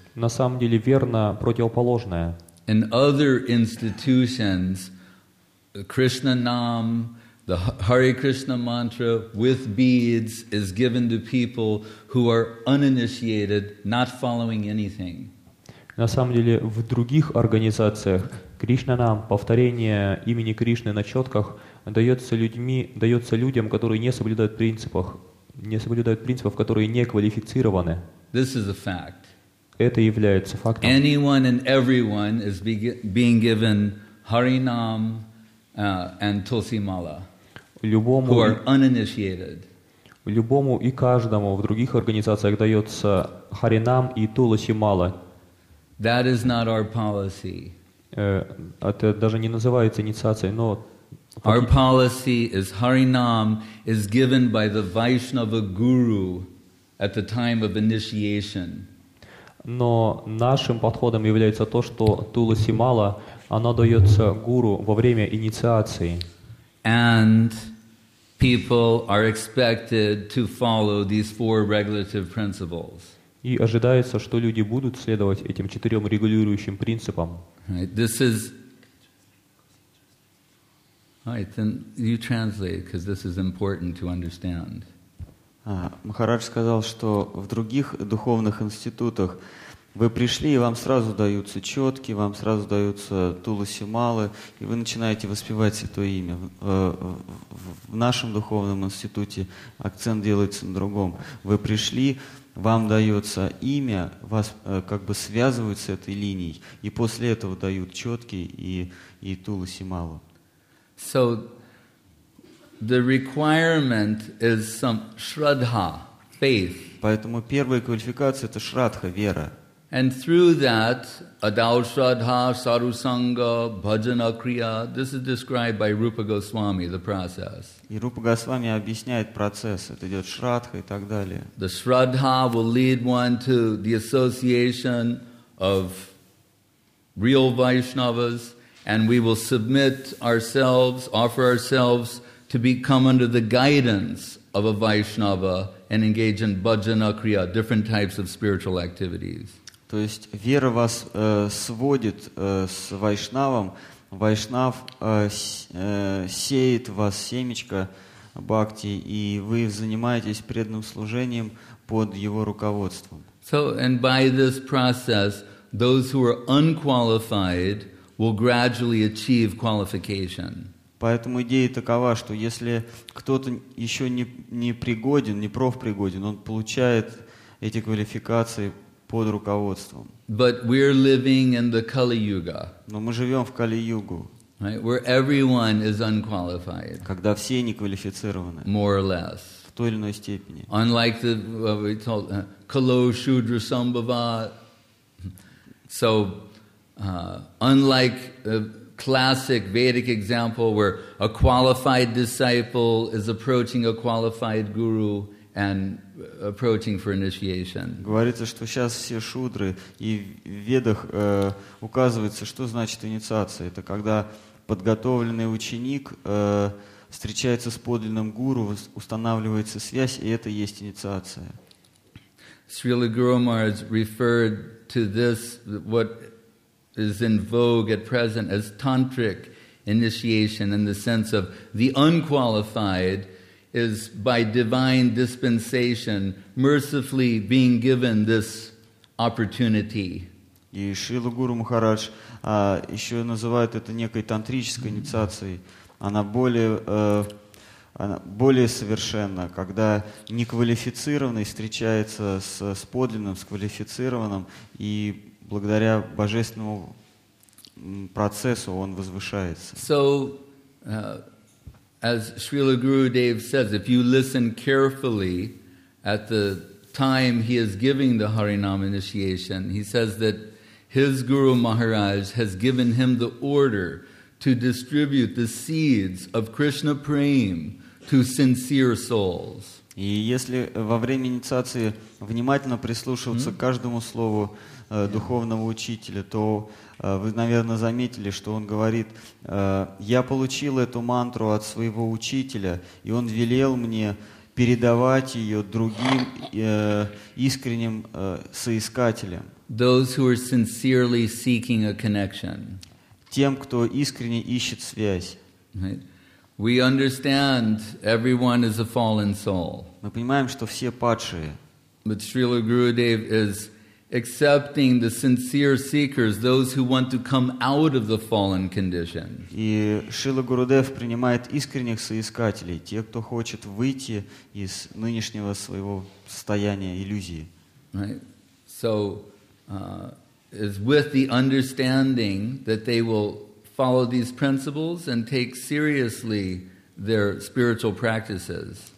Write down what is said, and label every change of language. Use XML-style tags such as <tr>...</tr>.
<ru>На самом деле верно противоположное.</ru> <en>In other institutions, Krishna Nam, the Hare Krishna mantra with beads is given to people who are uninitiated, not following anything.</en> <ru>На самом деле, в других организациях Кришна нам повторение имени Кришны на четках дается людям, которые не соблюдают принципов, которые не квалифицированы.</ru> <en>This is a fact.</en> <ru>Это является фактом.</ru> <en>Anyone and everyone is being given Hari Nam and Tulsi Mala.</en> <ru>Любому,</ru> <en>who are uninitiated.</en> <ru>Любому и каждому в других организациях дается Харинам и Туласи Мала.</ru> <en>That is not our policy.</en> <ru>Это даже не называется инициацией, но...</ru> <en>Our policy is Харинам is given by the Vaishnava Guru at the time of initiation.</en> <ru>Но нашим подходом является то, что Туласи Мала, она дается Гуру во время инициации.</ru> <en>And people are expected to follow these four regulative principles.</en> <ru>И ожидается, что люди будут следовать этим четырем регулирующим принципам.</ru> <en>Right. This is. Alright, then you translate, because this is important to understand.</en> <ru>Махарадж сказал, что в других духовных институтах вы пришли, и вам сразу даются четки, вам сразу даются Туласи Малы, и вы начинаете воспевать это имя. В нашем духовном институте акцент делается на другом. Вы пришли, вам дается имя, вас как бы связывают с этой линией, и после этого дают четки и Туласи Малу.</ru> <en>So the requirement is some shraddha, faith.</en> <ru>Поэтому первая квалификация – это шрадха, вера.</ru> <en>And through that,</en> <sa>adal shraddha, sarusanga, bhajana kriya,</sa> <en>this is described by Rupa Goswami, the process.</en> <ru>И Рупа Госвами объясняет процесс. Это идет шрадха и так далее.</ru> <en>The shraddha will lead one to the association of real Vaishnavas, and we will submit ourselves, offer ourselves to become under the guidance of a Vaishnava and engage in bhajana kriya, different types of spiritual activities.</en> <ru>То есть вера вас сводит с вайшнавом, вайшнав сеет вас семечко бхакти, и вы занимаетесь преданным служением под его руководством.</ru> <en>So, and by this process, those who are unqualified will gradually achieve qualification.</en> <ru>Поэтому идея такова, что если кто-то еще не пригоден, не профпригоден, он получает эти квалификации под руководством.</ru> <en>But we're living in the Kali Yuga.</en> <ru>Но мы живем в Кали-югу.</ru> <en>Right? Where everyone is unqualified.</en> <ru>Когда все неквалифицированы.</ru> <en>More or less.</en> <ru>В той или иной степени.</ru> <en>Unlike the what we told</en> <sa>Kalo Shudra Sambhava.</sa> <en>So unlike the classic Vedic example where a qualified disciple is approaching a qualified guru and approaching for initiation.</en> <ru>Говорится, что сейчас все шудры, и в ведах указывается, что значит инициация. Это когда подготовленный ученик встречается с подлинным гуру, устанавливается связь, и это есть инициация.</ru> <en>Srila Guru Maharaj referred to this, what is in vogue at present as tantric initiation, in the sense of the unqualified is by divine dispensation mercifully being given this opportunity.</en> <ru>И Шрила Гуру Махарадж еще называет это некой тантрической инициацией. Она более совершенна, когда неквалифицированный встречается с подлинным, с квалифицированным, и благодаря божественному процессу он возвышается.</ru> <en>So, as Srila Gurudev says, if you listen carefully at the time he is giving the Harinam initiation, he says that his Guru Maharaj has given him the order to distribute the seeds of Krishna Prem to sincere souls.</en> <ru>И если во время инициации внимательно прислушиваться к каждому слову духовного учителя, то вы, наверное, заметили, что он говорит: «Я получил эту мантру от своего учителя, и он велел мне передавать ее другим искренним соискателям».</ru> <en>Those who are sincerely seeking a connection.</en> <ru>Тем, кто искренне ищет связь.</ru> <en>We understand everyone is a fallen soul.</en> <ru>Мы понимаем, что все падшие.</ru> <en>But Srila Gurudev is accepting the sincere seekers, those who want to come out of the fallen condition.</en> <ru>И Шрила Гурудев принимает искренних соискателей, тех, кто хочет выйти из нынешнего своего состояния иллюзии.</ru> <en>Right. So, is with the understanding that they will follow these principles and take seriously their spiritual practices.</en>